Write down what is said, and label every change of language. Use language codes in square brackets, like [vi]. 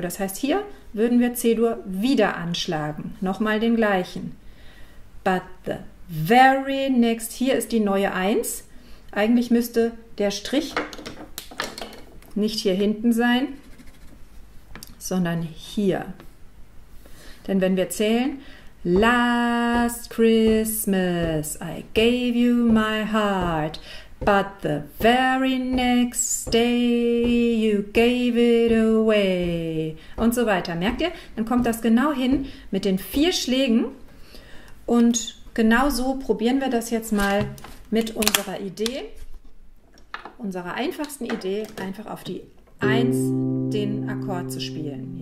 [de] Das heißt, hier würden wir C-Dur wieder anschlagen, nochmal den gleichen. [en] But the very next, [de] hier ist die neue 1. Eigentlich müsste der Strich nicht hier hinten sein, sondern hier. Denn wenn wir zählen, [en] Last Christmas I gave you my heart, but the very next day you gave it away. [de] Und so weiter. Merkt ihr? Dann kommt das genau hin mit den vier Schlägen. Und genau so probieren wir das jetzt mal mit unserer Idee, unserer einfachsten Idee, einfach auf die 1 den Akkord zu spielen.